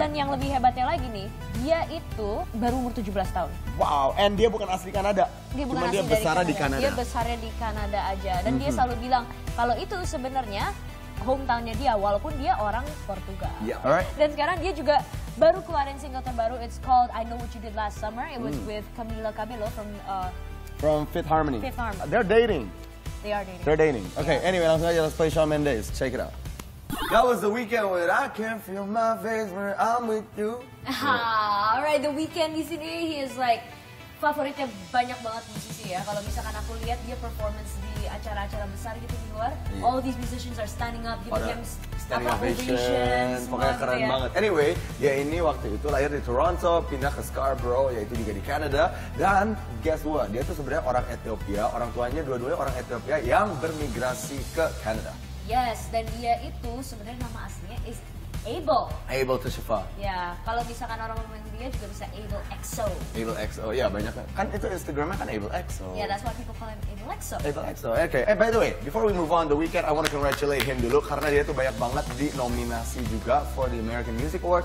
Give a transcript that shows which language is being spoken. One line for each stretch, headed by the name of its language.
Indonesian: Dan yang lebih hebatnya lagi nih, dia itu baru umur 17 tahun.
English: Wow, and
Indonesian: dia bukan asli Kanada. Dia bukan cuma asli dia besar di Kanada. Dia besarnya di Kanada aja, dan mm-hmm. Dia selalu bilang kalau itu sebenarnya hometownnya dia, walaupun dia orang Portugal.
English: Yeah, alright.
Indonesian: Dan sekarang dia juga baru keluarin single terbaru.
English: It's called I Know What You Did Last Summer. It was with Camila Cabello from Fifth Harmony. Fifth Harmony. They're dating. They are dating. They're dating. Okay. Yeah. Anyway,
Indonesian: langsung aja
English: let's play Shawn Mendes. Check it out. That was The Weeknd with I Can't Feel My Face When I'm With You. Yeah. Alright,
Indonesian: The Weeknd di sini,
English: he is like
Indonesian: favoritnya banyak banget musisi ya. Kalau misalkan aku lihat dia performance di acara-acara besar gitu di luar, yeah.
English: All these musicians are standing up, giving him standing ovation,
Indonesian: pokoknya keren gitu ya. Banget. Anyway, dia ini waktu itu lahir di Toronto, pindah ke Scarborough, yaitu juga di Canada. Dan
English: guess what,
Indonesian: dia tuh sebenarnya orang Ethiopia, orang tuanya dua-duanya orang Ethiopia yang bermigrasi ke Canada. Yes, dan dia itu sebenarnya nama aslinya is Abel to Shafa. Ya, kalau misalkan orang memanggil dia juga bisa Abel XO. Abel XO, ya banyak kan itu Instagramnya kan Abel XO.
English: Ya, that's why people call him Abel XO. Abel XO, okay. And by the way, before we move on The Weeknd, I want to congratulate him
Indonesian: dulu karena dia tuh banyak banget di nominasi juga
English: for the American Music Award.